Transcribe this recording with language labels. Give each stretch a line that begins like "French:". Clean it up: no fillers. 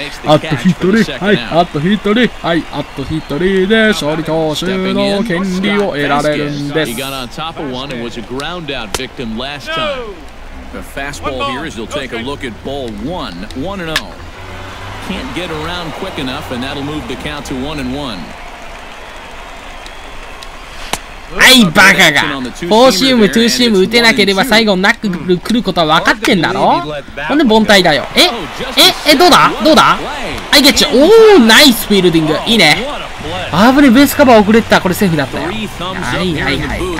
Japanese: あと一人、はい、あと一人、はい、あと一人で勝利投手の権利を得られるんです。
English: He got on top of one and was a ground out victim last time. The fastball here is he'll take a look at ball 1, 1-0. Can't get around quick enough and that'll move the count to 1-1.
Japanese: はい、バカが。フォーシーム、ツーシーム打てなければ最後ナックル来ることは分かってんだろ。ほんで凡退だよ。どうだどうだ、はい、ゲッチュ。おー、ナイスフィールディング。いいね。あぶね、ベースカバー遅れてた。これセーフだったよ。はいはいはい。